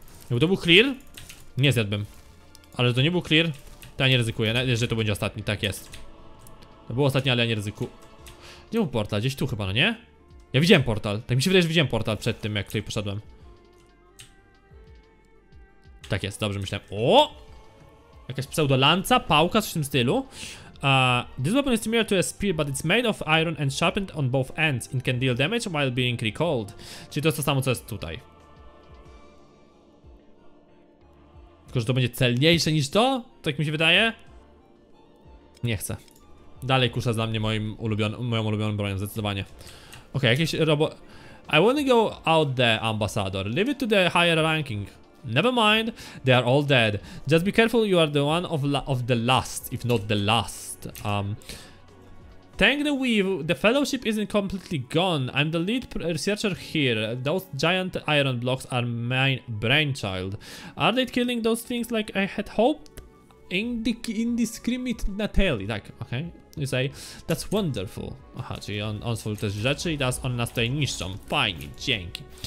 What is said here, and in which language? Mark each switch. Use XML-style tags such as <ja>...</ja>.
<pl>Jakby to był clear, nie zjadłbym. Ale to nie był clear, to ja nie ryzykuję, że to będzie ostatni, tak jest. To było ostatnie, ale ja nie ryzykuję. Gdzie był portal? Gdzieś tu chyba, no nie? Ja widziałem portal, tak mi się wydaje, że widziałem portal przed tym, jak tutaj poszedłem. Tak jest, dobrze myślałem. O! Jakaś pseudo lanca, pałka, coś w tym stylu. This weapon is similar to a spear, but it's made of iron and sharpened on both ends and can deal damage while being recalled. Czyli to jest to samo, co jest tutaj. Tylko, że to będzie celniejsze niż to? Tak mi się wydaje? Nie chcę. Dalej kusza dla mnie moją ulubioną bronią, zdecydowanie. Okej, jakieś robo...</pl> <en>I wanna go out there, ambassador. Leave it to the higher ranking. Never mind, they are all dead. Just be careful, you are the one of the last, if not the last. Thank the weave, the fellowship isn't completely gone. I'm the lead researcher here. Those giant iron blocks are my brainchild. Are they killing those things like I had hoped? Indiscriminately.</en> <pl>Tak, okej.</pl> <en>Okay. You say, that's wonderful.</en> <pl>Aha, czyli on swoje też rzeczy i teraz on nas tutaj niszczą. Fajnie, dzięki.</pl>